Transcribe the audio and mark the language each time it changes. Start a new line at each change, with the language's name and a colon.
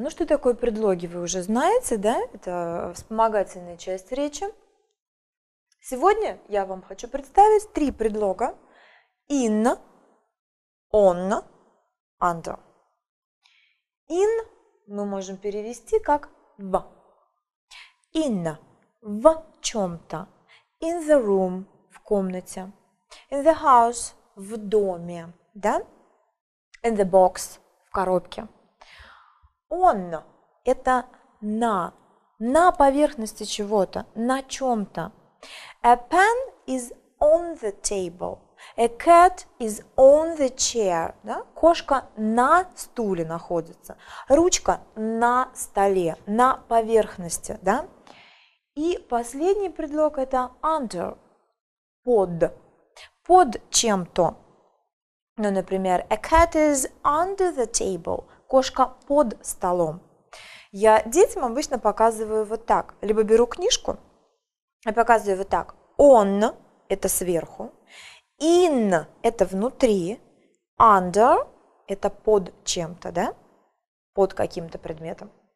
Russian: Ну, что такое предлоги, вы уже знаете, да? Это вспомогательная часть речи. Сегодня я вам хочу представить три предлога.
English: In, on, under.
Russian: In мы можем перевести как в. In – в чем-то.
English: In the room –
Russian: в комнате.
English: In the house –
Russian: в доме. Да?
English: In the box –
Russian: в коробке. On – это на. На поверхности чего-то, на чем-то.
English: A pen is on the table. A cat is on the chair. Да?
Russian: Кошка на стуле находится. Ручка на столе, на поверхности. Да? И последний предлог – это under – под. Под чем-то. Ну, например,
English: a cat is under the table.
Russian: Кошка под столом. Я детям обычно показываю вот так. Либо беру книжку и показываю вот так. On – это сверху. In – это внутри, under – это под чем-то, да, под каким-то предметом.